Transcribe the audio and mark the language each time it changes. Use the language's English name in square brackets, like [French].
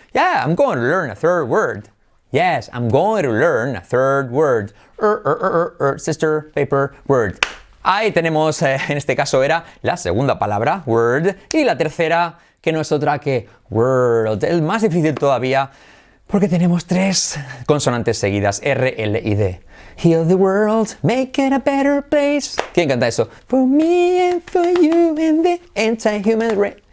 [English] Yeah, I'm going to learn a third word. Yes, I'm going to learn a third word. Sister, paper, word. [Spanish] Ahí tenemos, en este caso era la segunda palabra, word, y la tercera, que no es otra que world, el más difícil todavía, porque tenemos tres consonantes seguidas, R, L y D. [English] Heal the world, make it a better place. [Spanish] ¿Quién canta eso? [English] For me and for you and the anti-human race.